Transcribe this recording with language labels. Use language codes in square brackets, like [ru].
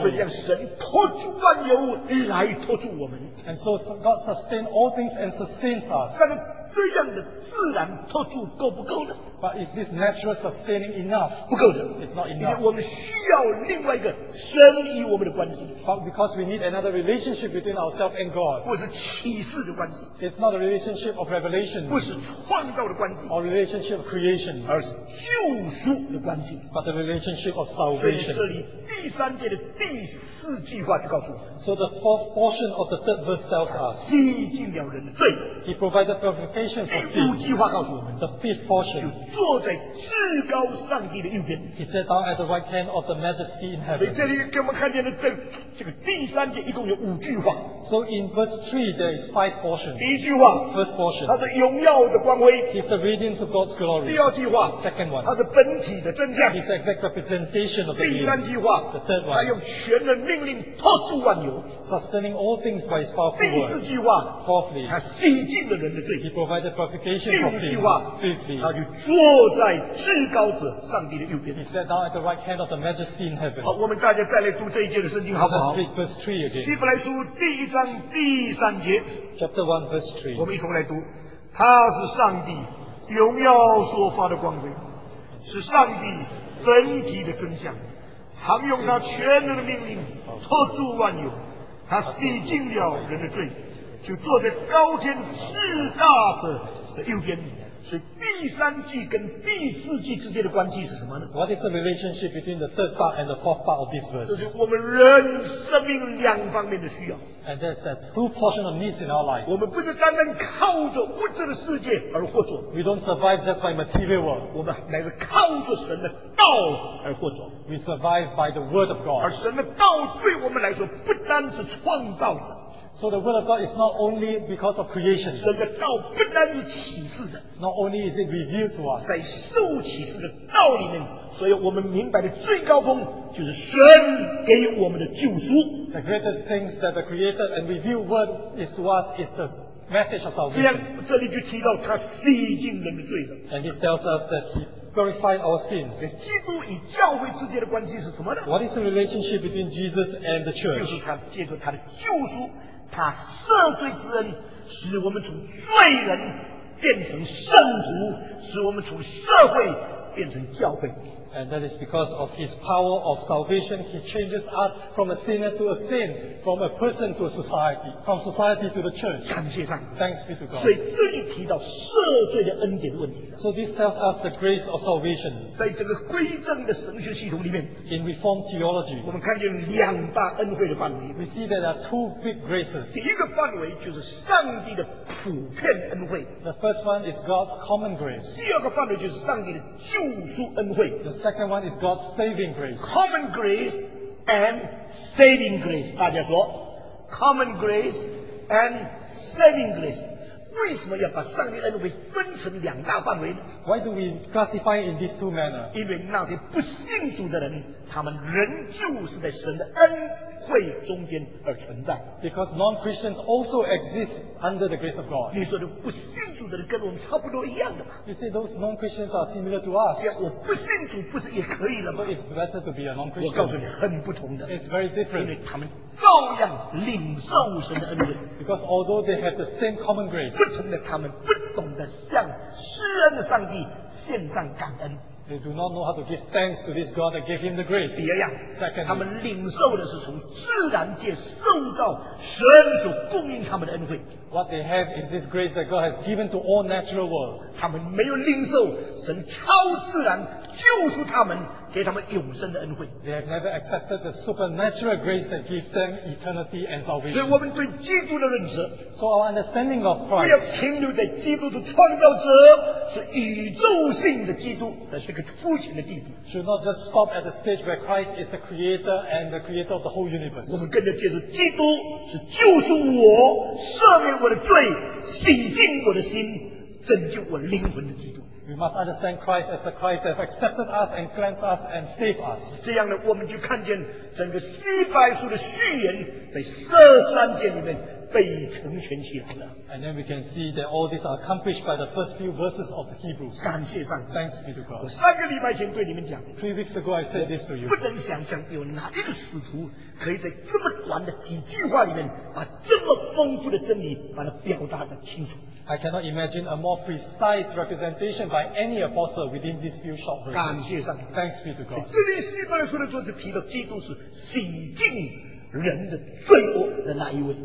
[zh] 所以让神托住万有来托住我们 [en] ，And so God sustains all things and sustains us。 [zh] 这样的自然托住够不够呢 [en] ？But is this natural sustaining enough？ [zh] 不够的 [en] ，It's not enough。 [zh] 我们需要另外一个神与我们的关系。 [en] But because we need another relationship between ourselves and God， [zh] 或是启示的关系。 [en] It's not a relationship of revelation， [zh] 不是创造的关系。 [en] Or relationship of creation， [zh] 而是救赎的关系。 [en] But the relationship of salvation。 [zh] 所以这里第三节的第四句话就告诉我们。 [en] So the fourth portion of the third verse tells us， [zh] 洗净了人的罪。 [en] He provided perfect。 [zh] 第五句话告诉我们 [en] ，The fifth portion， [zh] 就坐在至高上帝的右边。 [en] He sat down at the right hand of the Majesty in heaven。 [zh] 所以这里给我们看见了这个第三节一共有五句话。 [en] So in verse three there is five portions。 [zh] 第一句话 [en] ，First portion， [zh] 它是荣耀的光辉。 [en] He's the radiance of God's glory。 [zh] 第二句话 [en] ，Second one， [zh] 它是本体的真相。 [en] He's the exact representation of the being。 [zh] 第三句话 [en] ，The third one， [zh] 它用全能命令托住万有 [en] ，Sustaining all things by His powerful word。 [zh] 第四句话 [en] ，Fourthly， [zh] 它洗净了人的罪。 [en] Provided purification for sins. Fifthly, he sat down at the right hand of the Majesty in heaven. [zh] 好，我们大家再来读这一节的圣经，好不好？ [en] Let's read verse three again. [zh] 希伯来书第一章第三节。 [en] Chapter one, verse three. [zh] 我们一同来读。他是上帝荣耀所发的光辉，是上帝本体的真相，常用他全能的命令托住万有。他洗净了人的罪。就坐在高天至大者的右边，所以第三句跟第四句之间的关系是什么呢 [en] ？What is the relationship between the third part and the fourth part of this verse？ [zh] 就是我们人生命两方面的需要。 [en] And there's two portions of needs in our life。 [zh] 我们不是单单靠着物质的世界而活着。 [en] We don't survive just by material world。 [zh] 我们乃是靠着神的道而活着。 [en] We survive by the word of God。 [zh] 而神的道对我们来说不单是创造者。 [en] So the word of God is not only because of creation. [zh] 神的道不单是启示的。 [en] Not only is it revealed to us. [zh] 在受启示的道里面，所以我们明白的最高峰就是神给我们的救赎。 [en] The greatest things that the created and revealed word is to us is the message of salvation. [zh] 这样，这里就提到他洗净人的罪了。 [en] And this tells us that he purified our sins. [zh] 基督与教会之间的关系是什么呢 [en] ？What is the relationship between Jesus and the church? [zh] 就是他借着他的救赎。他赦罪之恩使我们从罪人变成圣徒使我们从社会变成教会 [en] And that is because of his power of salvation he changes us from a sinner to a saint from a person to a society from society to the church [zh] 感谢上帝 [en] Thanks be to God [zh] 所以这里提到赦罪的恩典问题 [en] So this tells us the grace of salvation [zh] 在这个归正的神学系统里面 [en] In Reformed theology [zh] 我们看见两大恩惠的范围 [en] We see that there are two big graces [zh] 第一个范围就是上帝的普遍恩惠 [en] The first one is God's common grace [zh] 第二个范围就是上帝的救赎恩惠 [en] The second one is God's saving grace Common grace and saving grace [zh] 大家说 [en] Common grace and saving grace [zh] 为什么要把上帝恩惠分成两大范围呢 [en] Why do we classify in these two manner [zh] 因为那些不信主的人他们仍旧是在神的恩惠中间而存在 [en] Because non-Christians also exist under the grace of God [zh] 你说的不信主的人跟我们差不多一样的嘛 [en] You say those non-Christians are similar to us [zh] 我不信主不是也可以了吗 [en] So it's better to be a non-Christian [zh] 我告诉你很不同的 [en] It's very different [zh] 因为他们照样领受神的恩惠 [en] Because although they have the same common grace [zh] 不同的他们不懂得向施恩的上帝献上感恩 [en] They do not know how to give thanks to this God that gave him the grace. [zh] 第二样 [en] Secondly, [zh] 他们领受的是从自然界受到神所供应他们的恩惠。 [en] What they have is this grace that God has given to all natural world. [zh] 他们没有领受神超自然救赎他们，给他们永生的恩惠。 [en] They have never accepted the supernatural grace that gives them eternity and salvation. [zh] 所以我们对基督的认识 [en] ，So our understanding of Christ， [zh] 不要停留在基督的创造者是宇宙性的基督，那是个肤浅的地步。 [en] Should not just stop at the stage where Christ is the Creator and the Creator of the whole universe. [zh] 我们更要接受基督是救赎我、赦免我的罪、洗净我的心、拯救我灵魂的基督。 [en] We must understand Christ as the Christ that has accepted us and cleansed us and saved us. [zh] 这样呢，我们就看见整个希伯来书的序言在十三节里面被成全起来了。 [en] And then we can see that all these are accomplished by the first few verses of the Hebrews. [zh] 感谢上帝。 [en] Thanks be to God. [zh] 我三个礼拜前对你们讲。 [en] Three weeks ago, I said this to you. [zh] 不能想象有哪一个使徒可以在这么短的几句话里面把这么丰富的真理把它表达得清楚。 [en] I cannot imagine a more precise representation by any apostle within these few short verses. [zh] 感谢上帝。 [en] Thanks be to God. [zh] 这里希伯来书的作者提到基督是洗净人的罪恶的那一位。